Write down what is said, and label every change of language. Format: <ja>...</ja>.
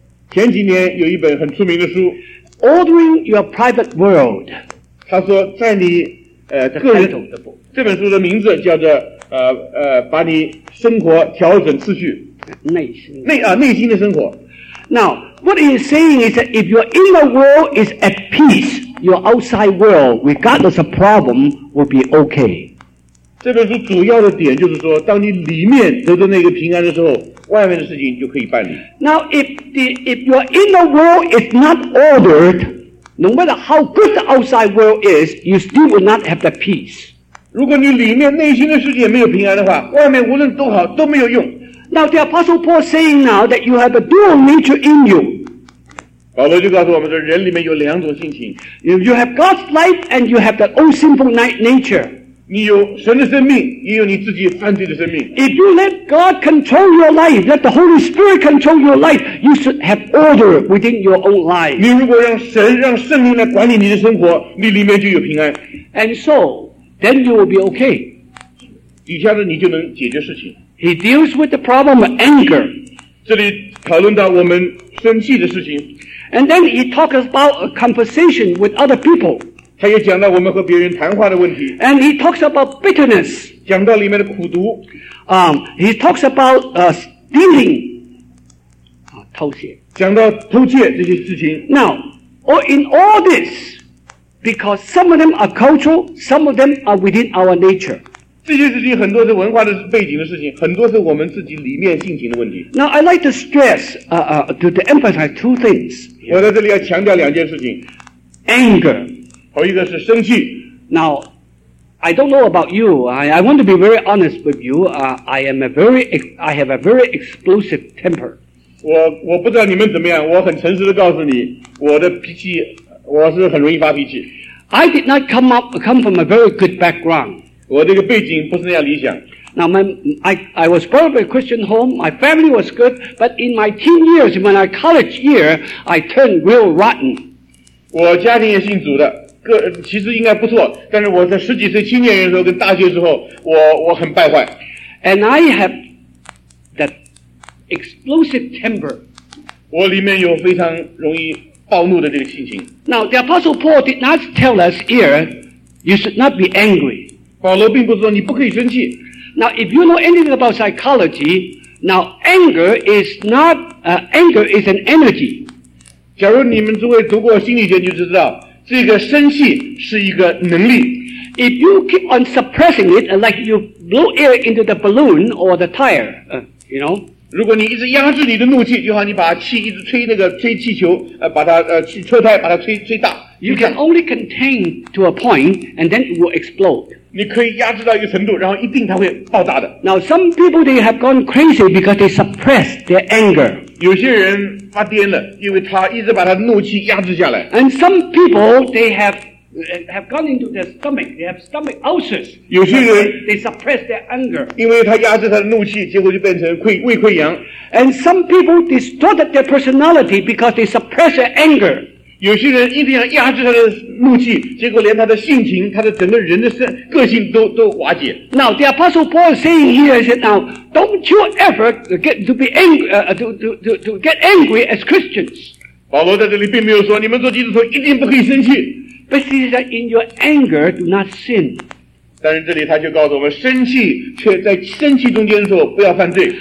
<zh>前几年有一本很出名的书，</zh> <en>"Ordering Your Private World."</en> <zh>他说，在你个人这本书的名字叫做把你生活调整次序，内心的生活。Now,</zh> <en>what he is saying is that if your inner world is at peace, your outside world, regardless of problem, will be okay.</en> <zh>这本书主要的点就是说，当你里面得到那个平安的时候，外面的事情就可以办理。</zh> <en>Now, if your inner world is not ordered, no matter how good the outside world is, you still will not have the peace.</en> <zh>如果你里面内心的世界没有平安的话，外面无论多好都没有用。</zh> <en>Now the Apostle Paul saying now that you have a dual nature in you.</en> <zh>保罗就告诉我们说，人里面有两种性情。</zh> <en>You have God's life and you have that old sinful nature.</en> <zh>你有神的生命，也有你自己犯罪的生命。</zh> <en>If you let God control your life, let the Holy Spirit control your life, you should have order within your own life.</en> <zh>你如果让神让圣灵来管理你的生活，你里面就有平安。</zh> <en>And so, then you will be okay.</en> <zh>底下的你就能解决事情。</zh> <en>He deals with the problem of anger.</en> <zh>这里讨论到我们生气的事情。</zh> <en>And then he talks about a conversation with other people.</en> <zh>他也讲到我们和别人谈话的问题。</zh> <en>And he talks about bitterness.</en> <zh>讲到里面的苦毒。</zh> <en>He talks about stealing.</en> <zh>偷窃。讲到偷窃这些事情。</zh> <en>Now, in all this, because some of them are cultural, some of them are within our nature.</en> <zh>这些事情很多是文化的背景的事情，很多是我们自己里面性情的问题。</zh> <en>Now I like to stress, to emphasize two things.</en> <zh>我在这里要强调两件事情。</zh> <en>Anger.</en> <zh>头一个是生气。</zh> <en>Now, I don't know about you. I want to be very honest with you. I have a very explosive temper.</en> <zh>我不知道你们怎么样，我很诚实地告诉你，我的脾气，我是很容易发脾气。</zh> <en>I did not come from a very good background.</en> <zh>我这个背景不是那样理想。</zh> <en>Now, I was born in a Christian home, my family was good, but in my teen years, when I college year, I turned real rotten.</en> <zh>我家庭也信主的，其实应该不错，但是我在十几岁青年人的时候跟大学时候，我很败坏。</zh> <en>And I have that explosive temper.</en> <zh>我里面有非常容易暴怒的这个心情。</zh> <en>Now, the Apostle Paul did not tell us here, you should not be angry.</en> <zh>保罗并不是说你不可以生气。</zh> <en>Now, if you know anything about psychology, now anger is an energy.</en> <zh>假如你们诸位读过心理学，就知道这个生气是一个能力。</zh> <en>If you keep on suppressing it, like you blow air into the balloon or the tire, you know.</en> <zh>如果你一直压制你的怒气，就好像你把气一直吹那个吹气球，把它去车胎把它吹大。</zh> <en>You can only contain to a point, and then it will explode.</en> <zh>你可以压制到一个程度，然后一定它会爆炸的。</zh> <en>Now some people they have gone crazy because they suppress their anger.</en> <zh>有些人发癫了，因为他一直把他的怒气压制下来。</zh> <en>And some people they have gone into their stomach. They have stomach ulcers.</en> <zh>有些人</zh> <en>they suppress their anger.</en> <zh>因为他压制他的怒气，结果就变成胃溃疡。</zh> <en>And some people distorted their personality because they suppress their anger.</en> <zh>有些人一定要压制他的怒气，结果连他的性情，他的整个人的个性都瓦解。</zh> <en>Now the Apostle Paul saying here is that now don't you ever get to be angry, to get angry as Christians.</en> <zh>保罗在这里并没有说你们做基督徒一定不可以生气。</zh> <en>But he said in your anger do not sin.</en> <zh>但是这里他就告诉我们，生气却在生气中间的时候不要犯罪。</zh>